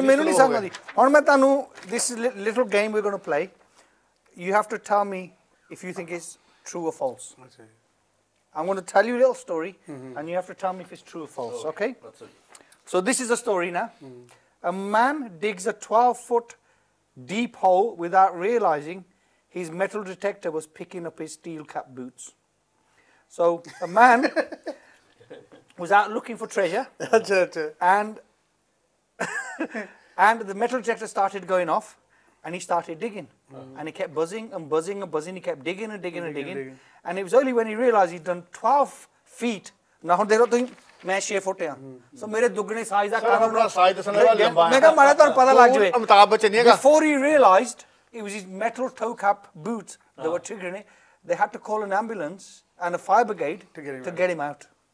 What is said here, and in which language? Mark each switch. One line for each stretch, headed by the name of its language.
Punjabi: ਮੈਨੂੰ ਨਹੀਂ ਸੰਗ ਆਉਂਦੀ ਹੁਣ ਮੈਂ ਤੁਹਾਨੂੰ
English: This little game we going to play you have to tell me if you think it's true or false I want to tell you little story and you have to tell me if it's true or false okay so this is a story ਨਾ A man digs a 12-foot deep hole without realizing his metal detector was picking up his steel-capped boots. So a man was out looking for treasure and the metal detector started going off and he started digging. Uh-huh. And he kept buzzing and buzzing and buzzing. He kept digging and digging, digging. And it was only when he realized he'd done 12 feet. Now they don't think...
Punjabi: ਮੈਂ 6 ਫੁੱਟ ਆ ਸੋ ਮੇਰੇ ਦੁੱਗਣੇ size ਦਾ ਕਾਰਨ ਉਹਨਾਂ size ਦੱਸਣ ਦਾ ਲੰਬਾ ਹੈ ਮੈਂ ਕਹਾਂ ਮਾੜਾ ਤੁਹਾਨੂੰ ਪਤਾ ਲੱਗ ਜਵੇ ਅਮਤਾਬ ਬਚਨ ਨਹੀਂ ਹੈਗਾ
English: before he realised it was his metal toe cap boots they were triggering they had to call an ambulance and a fire brigade to get him out